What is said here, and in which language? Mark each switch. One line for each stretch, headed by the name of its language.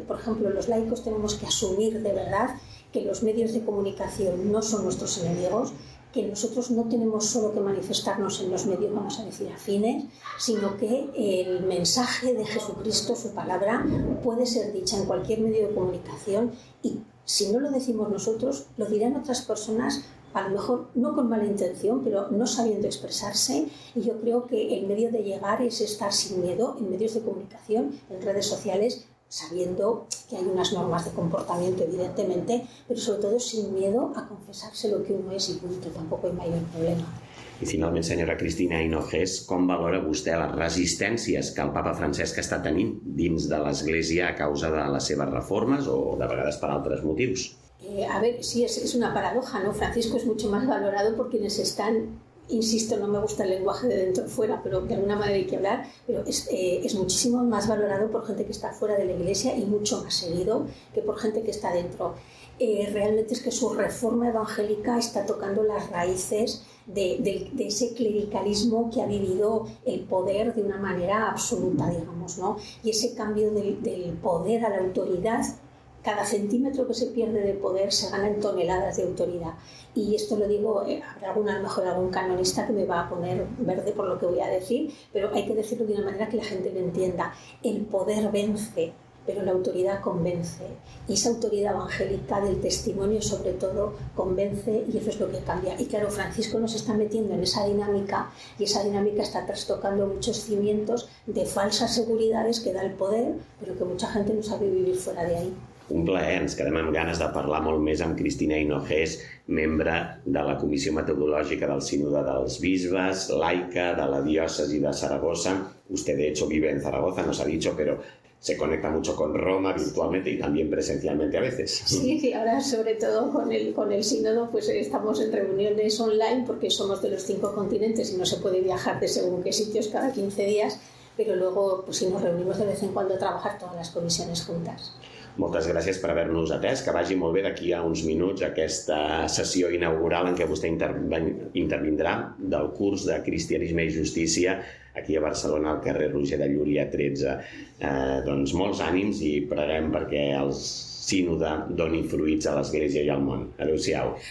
Spanish: Por ejemplo, los laicos tenemos que asumir de verdad que los medios de comunicación no son nuestros enemigos, que nosotros no tenemos solo que manifestarnos en los medios, vamos a decir, afines, sino que el mensaje de Jesucristo, su palabra, puede ser dicha en cualquier medio de comunicación, y si no lo decimos nosotros, lo dirán otras personas, a lo mejor no con mala intención, pero no sabiendo expresarse. Y yo creo que el medio de llegar es estar sin miedo en medios de comunicación, en redes sociales, sabiendo que hay unas normas de comportamiento, evidentemente, pero sobre todo sin miedo a confesarse lo que uno es, y punto, tampoco hay mayor problema.
Catalan: I finalment, senyora Cristina Hinojés, com valora vostè les resistències que el Papa Francesc està tenint dins de l'Església a causa de les seves reformes o de vegades per altres motius?
Spanish: A ver, sí, es una paradoja, ¿no? Francisco es mucho más valorado por quienes están insisto, no me gusta el lenguaje de dentro fuera, pero de alguna manera hay que hablar, pero es muchísimo más valorado por gente que está fuera de la iglesia y mucho más seguido que por gente que está dentro. Realmente es que su reforma evangélica está tocando las raíces de ese clericalismo que ha vivido el poder de una manera absoluta, digamos, ¿no? Y ese cambio del poder a la autoridad, cada centímetro que se pierde de poder se gana en toneladas de autoridad. Y esto lo digo, habrá alguna, a lo mejor algún canonista que me va a poner verde por lo que voy a decir, pero hay que decirlo de una manera que la gente lo entienda. El poder vence, pero la autoridad convence. Y esa autoridad evangélica del testimonio, sobre todo, convence, y eso es lo que cambia. Y claro, Francisco nos está metiendo en esa dinámica, y esa dinámica está trastocando muchos cimientos de falsas seguridades que da el poder, pero que mucha gente no sabe vivir fuera de ahí.
Catalan: Un plaer, ens quedem amb ganes de parlar molt més amb Cristina Hinojés, membre de la Comissió Metodològica del Sínode dels Bisbes, laica de la diòcesi de Saragossa.
Spanish: Usted, de hecho, vive en Zaragoza, nos ha dicho, pero se conecta mucho con Roma virtualmente y también presencialmente a veces. Sí, y ahora sobre todo con el sínodo, pues estamos en reuniones online porque somos de los 5 continentes y no se puede viajar de según qué sitios cada 15 días, pero luego pues sí, nos reunimos de vez en cuando a trabajar todas las comisiones juntas.
Catalan: Moltes gràcies per haver-nos atès. Que vagi molt bé d'aquí a uns minuts aquesta sessió inaugural en què vostè intervindrà del curs de Cristianisme i Justícia aquí a Barcelona, al carrer Roger de Llúria 13. Doncs molts ànims i preguem perquè el sínode doni fruits a l'Església i al món. Adéu-siau.